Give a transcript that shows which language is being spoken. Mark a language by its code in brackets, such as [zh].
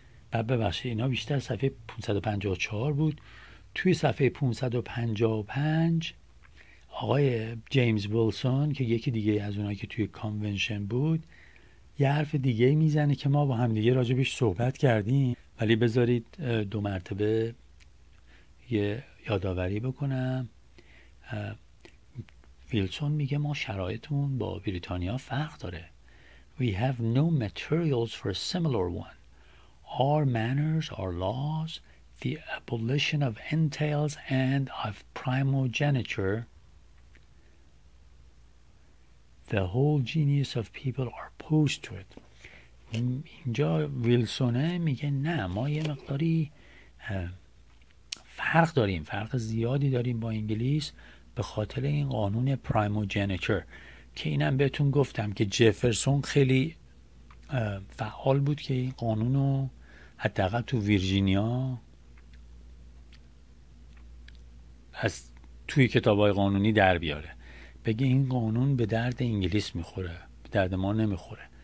[fa] بعد ببخشید اینا بیشتر صفحه 554 بود. توی صفحه 555 آقای جیمز ویلسون که یکی دیگه از اونایی که توی کانونشن بود یه حرف دیگه میزنه که ما با هم دیگه راجبش صحبت کردیم، ولی بذارید دو مرتبه یا یه یادآوری بکنم. ویلسون میگه ما شرایطمون با بریتانیا فرق داره. [en] We have no materials for a similar one. Our manners, our laws, the abolition of entails and of primogeniture, the whole genius of people are opposed to it. [fa] اینجا ویلسونه میگه نه ما یه مقداری فرق داریم، فرق زیادی داریم با انگلیس به خاطر این قانون پرایموجنیتور، که اینم بهتون گفتم که جفرسون خیلی فعال بود که این قانونو حداقل تو ویرجینیا از توی کتابای قانونی در بیاره، بگه این قانون به درد انگلیس میخوره، به درد ما نمیخوره.